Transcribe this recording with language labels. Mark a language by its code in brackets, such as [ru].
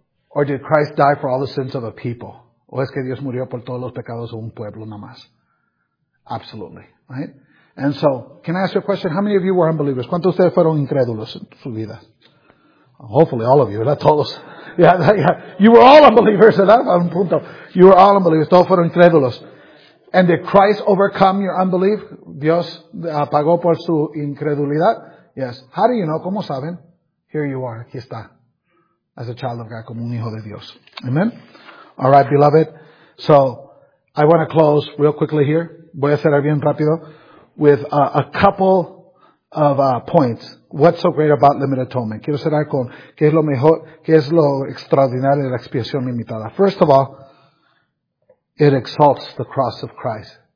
[en] Or did Christ die for all the sins of a people? [es] ¿O es que Dios murió por todos los pecados de un pueblo nada más? [en] Absolutely, right? And so, can I ask you a question? How many of you were unbelievers? [es] ¿Cuántos de ustedes fueron incrédulos en su vida? [en] Hopefully all of you, ¿verdad? Todos. Yeah. You were all unbelievers, ¿verdad? [es] A un punto. [en] You were all unbelievers. [es] Todos fueron incrédulos. [en] And did Christ overcome your unbelief? [es] ¿Dios pagó por su incredulidad? [en] Yes. How do you know? [es] ¿Cómo saben? [en] Here you are. [es] Aquí está. [en] As a child of God, [es] como un hijo de Dios. [en] Amen? All right, beloved. So, I want to close real quickly here. [es] Voy a cerrar bien rápido. [en] With a couple of points. What's so great about limited atonement? [es] Quiero cerrar con qué es lo mejor, qué es lo extraordinario de la expiación limitada. [en] First of all, it exalts the cross of Christ.